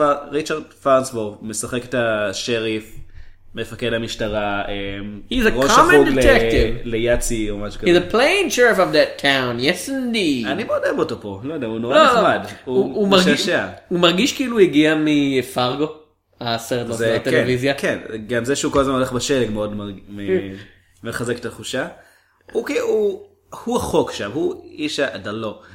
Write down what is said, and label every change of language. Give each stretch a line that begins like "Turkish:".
Hebrew: ריצ'רד פארנסוורת' משחק את השריף, מפקד המשטרה, ראש החוג ליאצי או משהו כזה.
English: He's a plain sheriff of that town, yes indeed.
Hebrew: אני מאוד אוהב אותו פה, לא יודע, הוא נורא נחמד. הוא משעשע. הוא מרגיש כאילו הגיע מפארגו, הסרט של הטלוויזיה. כן, גם זה שהוא כל הזמן הולך בשלג מאוד מחזק את התחושה. הוא החוק שם, הוא איש הדלו.